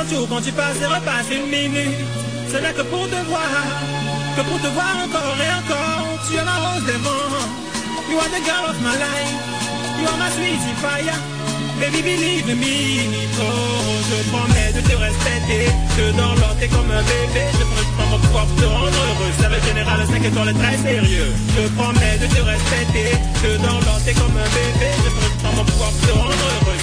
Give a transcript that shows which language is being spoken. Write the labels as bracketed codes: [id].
[fr] Quand tu passes et repasses une minute, ce n'est que pour te voir encore et encore. Tu es ma rose des vents, [en] you are the girl of my life, you are my sweetie fire, baby believe me. [fr] Oh, je promets de te respecter, te dorloter comme un bébé. Je promets de prendre mon pouvoir pour te rendre heureux. Ça veut général 5 étoiles très sérieux. Je promets de te respecter, te dorloter comme un bébé. Je promets de prendre mon pouvoir pour te rendre heureux.